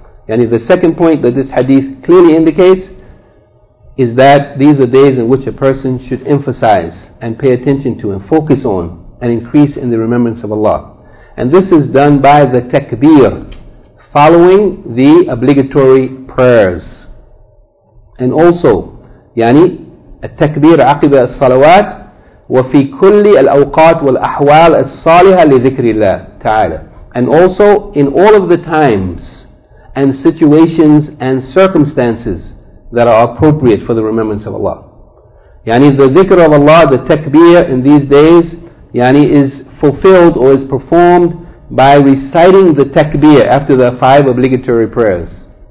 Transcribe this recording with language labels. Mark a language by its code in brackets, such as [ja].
[en] Yani the second point that this hadith clearly indicates is that these are days in which a person should emphasize and pay attention to and focus on and increase in the remembrance of Allah. And this is done by the takbir, following the obligatory prayers. And also, [ar] yani, التكبير عقب الصلوات وفي كل الأوقات والأحوال الصالحة لذكر الله تعالى. [en] And also in all of the times and situations and circumstances that are appropriate for the remembrance of Allah. Yani the dhikr of Allah, the takbir in these days, yani is fulfilled or is performed by reciting the takbir after the five obligatory prayers.